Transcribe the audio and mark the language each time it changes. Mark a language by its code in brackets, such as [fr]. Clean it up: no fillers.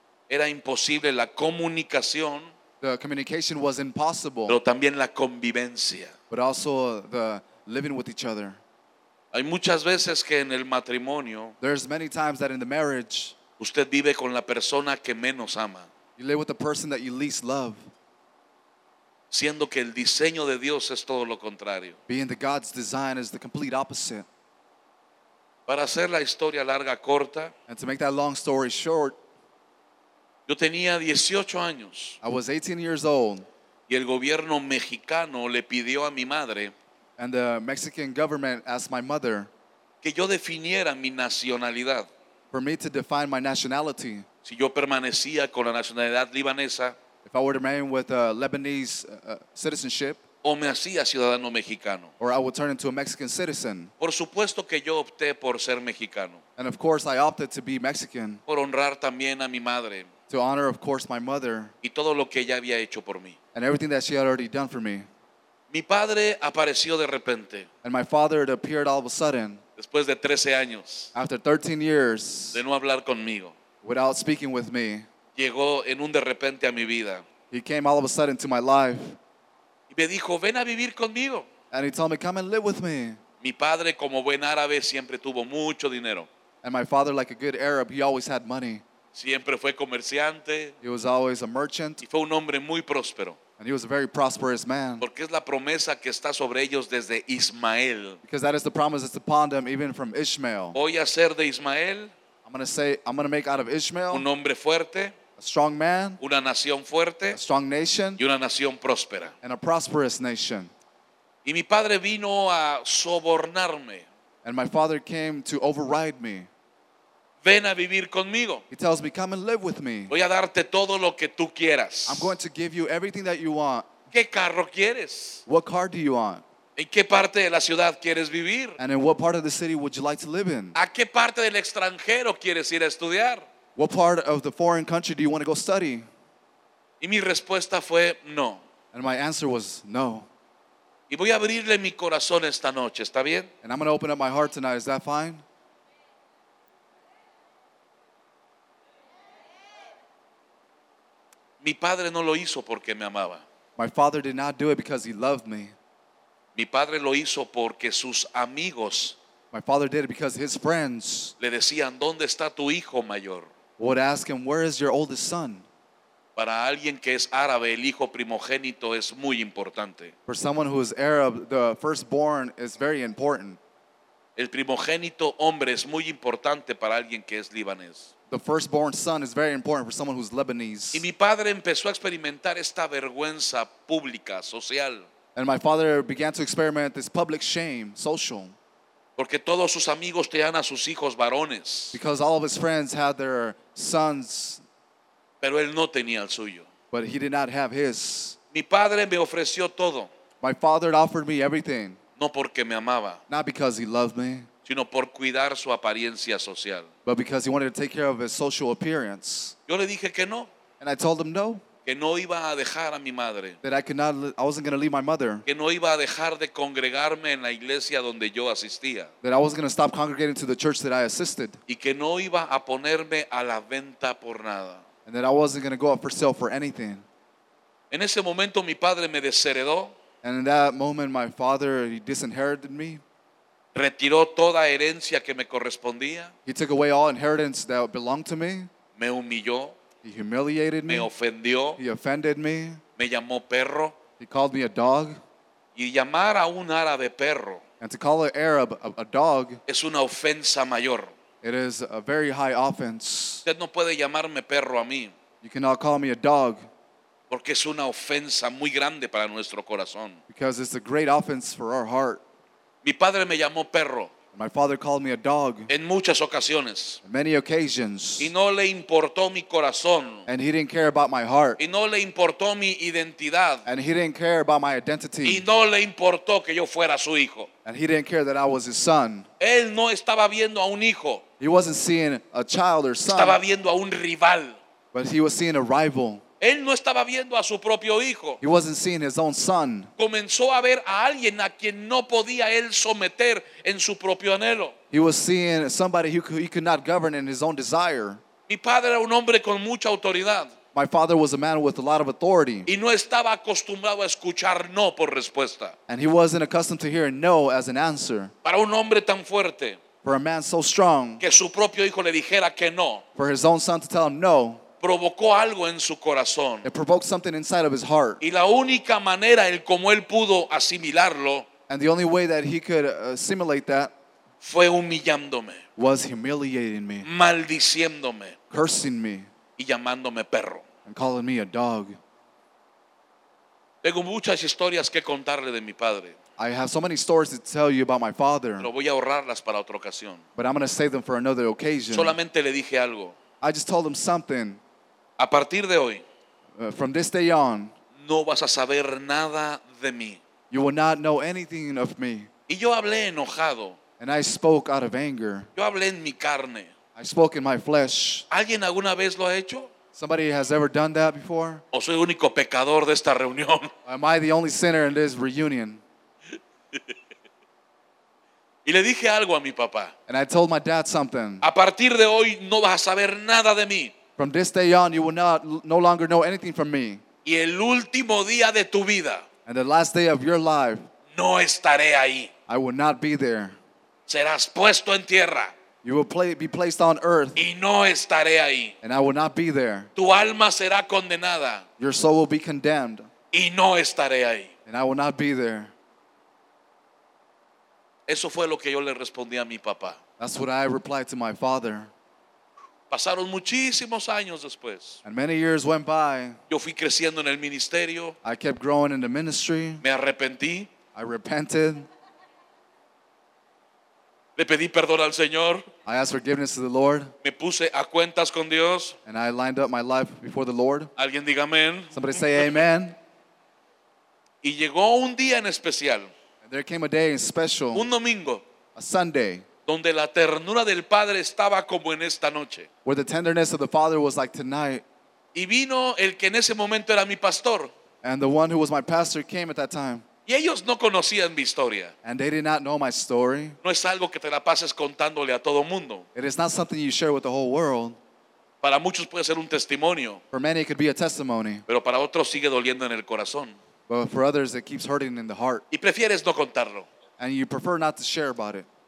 [es] Era imposible la comunicación. [en] The communication was impossible. [es] Pero también la convivencia. [en] But also the living with each other. [es] Hay muchas veces que en el matrimonio, [en] there's many times that in the marriage, [es] usted vive con la persona que menos ama. [en] You live with the person that you least love. [es] Siendo que el diseño de Dios es todo lo contrario. [en] Being that God's design is the complete opposite. [es] Para hacer la historia larga corta, [en] and to make that long story short, [es] yo tenía 18 años. [en] I was 18 years old. [es] Y el gobierno mexicano le pidió a mi madre, [en] and the Mexican government asked my mother, [es] que yo definiera mi nacionalidad, [en] for me to define my nationality, [es] si yo permanecía con la nacionalidad libanesa, [en] if I were to remain with a Lebanese citizenship, [es] o me hacía ciudadano mexicano, [en] or I would turn into a Mexican citizen. [es] Por supuesto que yo opté por ser mexicano, [en] and of course I opted to be Mexican, [es] por honrar también a mi madre, [en] to honor, of course, my mother, [es] y todo lo que ella había hecho por mí, [en] and everything that she had already done for me. [es] Mi padre apareció de repente, [en] and my father had appeared all of a sudden, [es] después de 13 años, [en] after 13 years, [es] de no hablar conmigo, [en] without speaking with me. [es] Llegó en un de repente a mi vida. [en] He came all of a sudden to my life, [es] y me dijo, ven a vivir conmigo, [en] and he told me, come and live with me. [es] Mi padre, como buen árabe, siempre tuvo mucho dinero, [en] and my father, like a good Arab, he always had money. [es] Siempre fue comerciante. [en] He was always a merchant. [es] Y fue un hombre muy próspero. [en] And he was a very prosperous man. [es] Porque es la promesa que está sobre ellos desde Ismael. [en] Because that is the promise that's upon them even from Ishmael. [es] Voy a hacer de Ismael, [en] I'm going to make out of Ishmael, [es] un hombre fuerte, [en] a strong man, [es] una nación fuerte, [en] a strong nation, [es] y una nación próspera, [en] and a prosperous nation. [es] Y mi padre vino a sobornarme, [en] and my father came to override me. [es] Ven a vivir conmigo. [en] He tells me, come and live with me. [es] Voy a darte todo lo que tú quieras. [en] I'm going to give you everything that you want. [es] ¿Qué carro quieres? [en] What car do you want? [es] ¿En qué parte de la ciudad quieres vivir? [en] And in what part of the city would you like to live in? [es] ¿A qué parte del extranjero quieres ir a estudiar? [en] What part of the foreign country do you want to go study? [es] Y mi respuesta fue no. [en] And my answer was no. [es] Y voy a abrirle mi corazón esta noche, ¿está bien? [en] And I'm going to open up my heart tonight, is that fine? [es] Mi padre no lo hizo porque me amaba. [en] My father did not do it because he loved me. [es] Mi padre lo hizo porque sus amigos, [en] my father did it because his friends, [es] le decían, ¿dónde está tu hijo mayor? [en] Would ask him, where is your oldest son? [es] Para alguien que es árabe, el hijo primogénito es muy importante. [en] For someone who is Arab, the firstborn is very important. [es] El primogénito hombre es muy importante para alguien que es libanés. [en] The firstborn son is very important for someone who's Lebanese. [es] Y mi padre empezó a experimentar esta vergüenza pública, social. [en] And my father began to experiment this public shame, social. [es] Porque todos sus amigos tenían a sus hijos varones. [en] Because all of his friends had their sons. [es] Pero él no tenía el suyo. [en] But he did not have his. [es] Mi padre me ofreció todo. [en] My father offered me everything. [es] No porque me amaba. [en] Not because he loved me. [es] Sino por cuidar su apariencia social. [en] But because he wanted to take care of his social appearance. [es] Yo le dije que no. [en] And I told him no. [es] Que no iba a dejar a mi madre. [en] That I wasn't going to leave my mother. [es] Que no iba a dejar de congregarme en la iglesia donde yo asistía. [en] That I wasn't going to stop congregating to the church that I assisted. [es] Y que no iba a ponerme a la venta por nada. [en] And that I wasn't going to go up for sale for anything. [es] En ese momento mi padre me desheredó. [en] And in that moment my father, he disinherited me. [es] Retiró toda herencia que me correspondía. [en] He took away all inheritance that belonged to me. [es] Me humilló. [en] He humiliated me. [es] Me ofendió. [en] He offended me. [es] Me llamó perro. [en] He called me a dog. [es] Y llamar a un árabe perro, [en] and to call an Arab a dog, [es] es una ofensa mayor. [en] It is a very high offense. [es] Usted no puede llamarme perro a mí. [en] You cannot call me a dog. [es] Porque es una ofensa muy grande para nuestro corazón. [en] Because it's a great offense for our heart. [es] Mi padre me llamó perro. [en] My father called me a dog. [es] En muchas ocasiones. [en] Many occasions. [es] Y no le importó mi corazón. [en] And he didn't care about my heart. [es] Y no le importó mi identidad. [en] And he didn't care about my identity. [es] Y no le importó que yo fuera su hijo. [en] And he didn't care that I was his son. [es] Él no estaba viendo a un hijo. [en] He wasn't seeing a child or son. [es] Estaba viendo a un rival. [en] But he was seeing a rival. [es] Él no estaba viendo a su propio hijo. [en] He wasn't seeing his own son. [es] Comenzó a ver a alguien a quien no podía él someter en su propio anhelo. [en] He was seeing somebody he could not govern in his own desire. [es] Mi padre era un hombre con mucha autoridad. [en] My father was a man with a lot of authority. [es] Y no estaba acostumbrado a escuchar no por respuesta. [en] And he wasn't accustomed to hearing no as an answer. [es] Para un hombre tan fuerte. [en] For a man so strong. [es] Que su propio hijo le dijera que no. [en] For his own son to tell him no. [es] Provocó algo en su corazón. [en] It provoked something inside of his heart. [es] Y la única manera en cómo él pudo asimilarlo. [en] And the only way that he could assimilate that. [es] Fue humillándome. [en] Was humiliating me. [es] Maldiciéndome. [en] Cursing me. [es] Y llamándome perro. [en] And calling me a dog. [es] Tengo muchas historias que contarle de mi padre. [en] I have so many stories to tell you about my father. [es] Pero voy a ahorrarlas para otra ocasión. [en] But I'm going to save them for another occasion. [es] Solamente le dije algo. [en] I just told him something. [es] A partir de hoy, [en] from this day on, [es] no vas a saber nada de mí. [en] You will not know anything of me. [es] Y yo hablé enojado. [en] And I spoke out of anger. [es] Yo hablé en mi carne. [en] I spoke in my flesh. [es] ¿Alguien alguna vez lo ha hecho? [en] Somebody has ever done that before? [es] ¿O soy el único pecador de esta reunión? [en] Am I the only sinner in this reunion? [es] Y le dije algo a mi papá. [en] And I told my dad something. [es] A partir de hoy no vas a saber nada de mí. [en] From this day on you will not no longer know anything from me. [es] Y el último día de tu vida. [en] And the last day of your life. [es] No estaré ahí. [en] I will not be there. [es] Serás puesto en tierra. [en] You will be placed on earth. [es] Y no estaré ahí. [en] And I will not be there. [es] Tu alma será condenada. [en] Your soul will be condemned. [es] Y no estaré ahí. [en] And I will not be there. [es] Eso fue lo que yo le respondí a mi papá. [en] That's what I replied to my father. [es] Pasaron muchísimos años después. [en] And many years went by. [es] Yo fui creciendo en el ministerio. [en] I kept growing in the ministry. [es] Me arrepentí. [en] I repented. [es] Le pedí perdón al Señor. [en] I asked forgiveness to the Lord. [es] Me puse a cuentas con Dios. [en] And I lined up my life before the Lord. [es] Alguien diga amén. [en] Somebody say amen. [es] Y llegó un día en especial. [en] There came a day in special, [es] un domingo, [en] a Sunday, [es] donde la ternura del Padre estaba como en esta noche, [en] where the tenderness of the Father was like tonight. [es] Y vino el que en ese momento era mi pastor. [en] And the one who was my pastor came at that time. [es] Y ellos no conocían mi historia. [en] And they did not know my story. [es] No es algo que te la pases contándole a todo mundo. [en] It is not something you share with the whole world. [es] Para muchos puede ser un testimonio. [en] For many it could be a testimony. [es] Pero para otros sigue doliendo en el corazón. [en] But for others, it keeps hurting in the heart. [es] Y prefieres no contarlo. [en] And you prefer not to share about it.